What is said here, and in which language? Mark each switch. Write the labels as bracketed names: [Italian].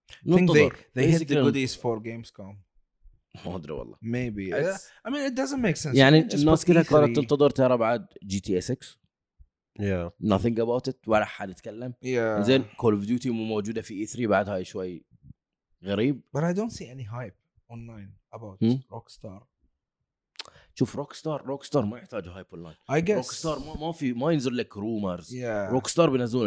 [English] they hit the goodies for Gamescom [Arabic] ما ادري والله [English] maybe I mean it doesn't make sense [Arabic] يعني الناس كلها كانت تنتظر ترى بعد جي تي اي 6 [English] yeah nothing about it [Arabic] ولا حد يتكلم زين كول اوف ديوتي مو موجوده في اي 3 بعد هاي شوي غريب [English] but I don't see any hype online about Rockstar [Arabic] شوف روكستار ما يحتاج هايب اونلاين روكستار ما ينزل لك رومرز روكستار بينزلون